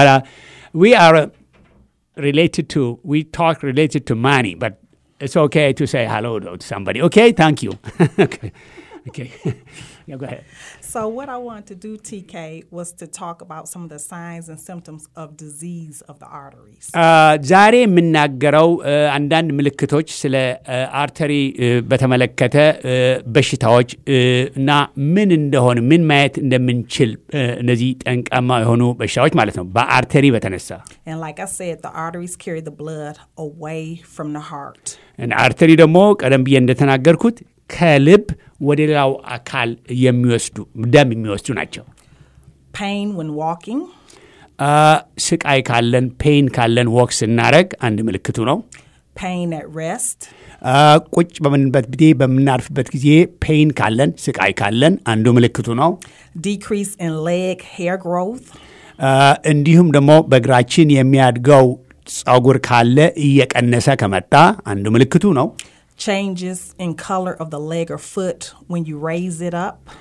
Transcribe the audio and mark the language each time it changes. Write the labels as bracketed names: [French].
[English] But we are related to money, but it's okay to say hello to somebody. Okay, thank you. okay. Yeah, go ahead. So what I wanted to do, TK, was to talk about some of the signs and symptoms of disease of the arteries. [Amharic] ዛሬ የምናገረው አንዳንድ ምልክቶች ስለ አርተሪ በተመለከተ በሽታዎች እና ምን እንደሆነ ምን ማየት እንደምንችል እነዚህ ጠንቃማ የሆኑ በሽታዎች ማለት ነው በአርተሪ በተነሳ. [English] And like I said, the arteries carry the blood away from the heart. [Amharic] And አርተሪ ደግሞ ቀደም ብዬ እንደተናገርኩት ከልብ ወደ ሌላው አካል የሚወስዱ ደም የሚወስዱ ናቸው. [English] Pain when walking. [Amharic] ስቃይ ካለን pain ካለን walks እናረግ አንድ ምልክቱ ነው. [English] Pain at rest. [Amharic] ቁጭ በምንበት ጊዜ በምናርፍበት ጊዜ pain ካለን ስቃይ ካለን አንዱ ምልክቱ ነው. [English] Decrease in leg hair growth. [Amharic] እንዲሁም ደግሞ በእግራችን የሚያድገው ጸጉር ካለ እየቀነሰ ከመጣ አንዱ ምልክቱ ነው. [English] Changes in color of the leg or foot when you raise it up.